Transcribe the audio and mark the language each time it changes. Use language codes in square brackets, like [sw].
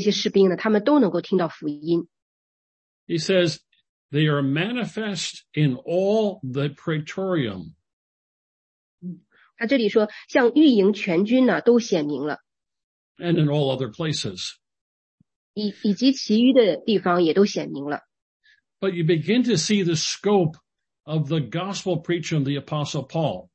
[zh] 保罗说，我虽然被捆锁啊，我被关在监狱里，但是我有一个服侍的事工，这个事工呢，就是让所有保护皇帝的这个御林全军呢，像御林军一样的，所有的这些士兵呢，他们都能够听到福音。 [en] He says, they are manifest in all the praetorium. [zh] 他这里说，像御营全军呢，都显明了。 [en] And in all other places. [zh] 以及其余的地方也都显明了。 [en] But you begin to see the scope of the gospel preaching of the Apostle Paul.